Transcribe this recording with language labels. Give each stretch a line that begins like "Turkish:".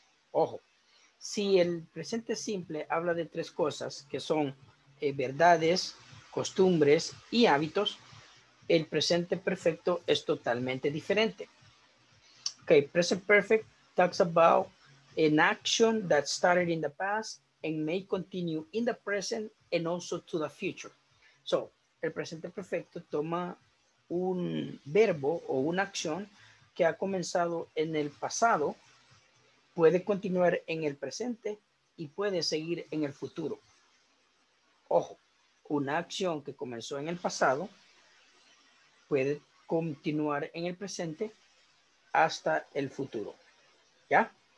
Spanish: Ojo, si el presente simple habla de tres cosas, que son verdades, costumbres y hábitos, el presente perfecto es totalmente diferente.
English: Okay, present perfect talks about an action that started in the past and may continue in the present and also to the future.
Spanish: So, el presente perfecto toma un verbo o una acción que ha comenzado en el pasado, puede continuar en el presente y puede seguir en el futuro. Ojo, una acción que comenzó en el pasado puede continuar en el presente hasta el futuro. ¿Ya?